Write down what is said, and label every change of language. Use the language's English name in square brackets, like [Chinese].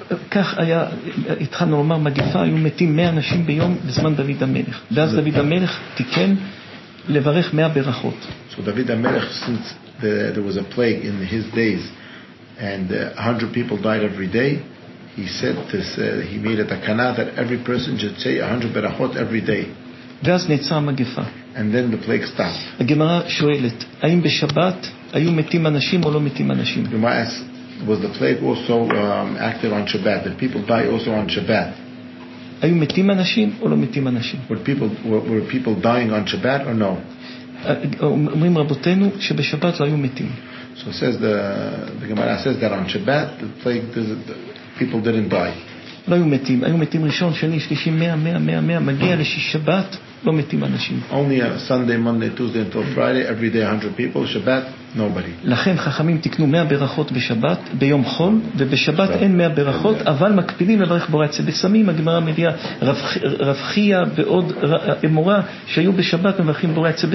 [Hebrew] כך היה, התחלנו לומר, מגיפה, היו מתים 100 אנשים ביום בזמן דוד המלך. ואז דוד המלך תיקן לברך 100 ברכות. [English] So David the Melech, since there was a plague in his days and 100 people died every day, he said this, he made it a kana that every person should say 100 berachot every day. [Hebrew] ואז נעצר המגפה. [English] And then the plague stopped. [Hebrew] הגמרא שואלת, האם בשבת היו מתים אנשים או לא מתים אנשים? [English] You might ask, was the plague also active on Shabbat? Did people die also on Shabbat? [Hebrew] היו מתים אנשים או לא מתים אנשים? [English] Were people dying on Shabbat or no? [Hebrew] אומרים רבותינו שבשבת לא היו מתים. [English] So says the Gemara says that on Shabbat the plague people didn't die. [Hebrew] לא היו מתים. היו מתים ראשון, שני, שלישי, 100, 100, 100, 100. מגיע לשבת, לא מתים אנשים. [English] Only Sunday, Monday, Tuesday until Friday, every day 100 people. Shabbat, nobody. [Hebrew] לכן חכמים תקנו 100 ברכות בשבת, ביום חול, ובשבת אין 100 ברכות, אבל מקפילים לברך בורצה. בסמים, הגמרא מביאה רבחיה ועוד אמורה שהיו בשבת מברכים בורצה.